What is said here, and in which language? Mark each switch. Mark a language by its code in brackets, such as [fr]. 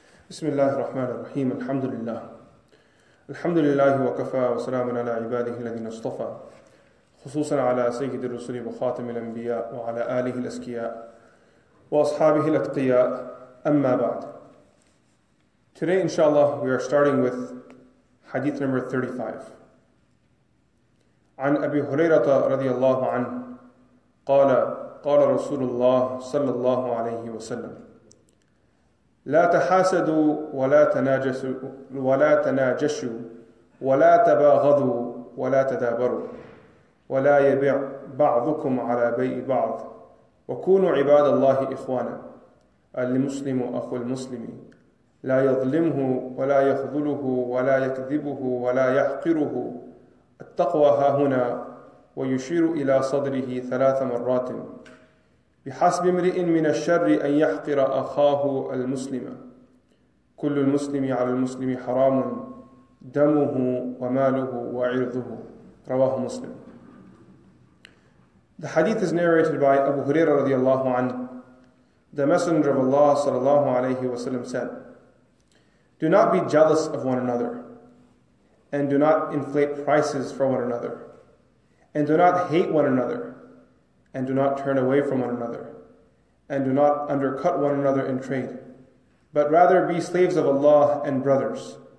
[ar] بسم الله الرحمن الرحيم الحمد لله الحمد لله وكفى وسلام على عباده الذين اصطفى خصوصا على سيد الرسل وخاتم الأنبياء وعلى آله الأسكياء وأصحابه الأتقياء أما بعد. [en] Today inshallah we are starting with hadith number 35. [ar] عن أبي هريرة رضي الله عنه قال قال رسول الله صلى الله عليه وسلم لا تحاسدوا ولا تناجسوا ولا تناجشوا ولا تباغضوا ولا تدابروا ولا يبع بعضكم على بيع بعض وكونوا عباد الله إخوانا المسلم أخو المسلم لا يظلمه ولا يخذله ولا يكذبه ولا يحقره التقوى هاهنا ويشير إلى صدره ثلاث مرات بحسب امرئ من الشر أن يحقر أخاه المسلم كل المسلم على المسلم حرام دمه وماله وعرضه رواه مسلم. [en] The hadith is narrated by Abu Huraira radiallahu anhu. The Messenger of Allah sallallahu alayhi wa sallam said, "Do not be jealous of one another, and do not inflate prices for one another, and do not hate one another, and do not turn away from one another, and do not undercut one another in trade, but rather be slaves of Allah and brothers.